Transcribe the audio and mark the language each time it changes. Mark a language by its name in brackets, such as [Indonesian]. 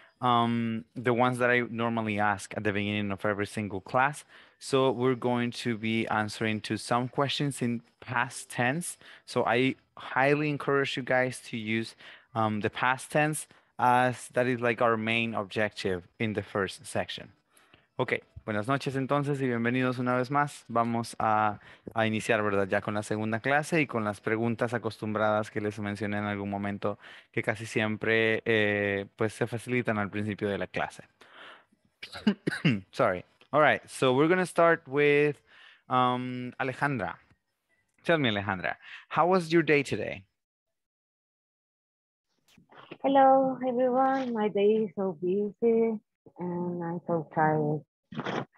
[English] The ones that I normally ask at the beginning of every single class. So we're going to be answering to some questions in past tense. So I highly encourage you guys to use the past tense, as that is like our main objective in the first section. [Spanish] Okay, buenas noches entonces y bienvenidos una vez más. Vamos a iniciar, ¿verdad? Ya con la segunda clase y con las preguntas acostumbradas que les mencioné en algún momento, que casi siempre pues se facilitan al principio de la clase. [English] Sorry. All right, so we're going to start with Alejandra. Tell me, Alejandra, how was your day today? Hello, everyone. My day is so busy and I'm so tired.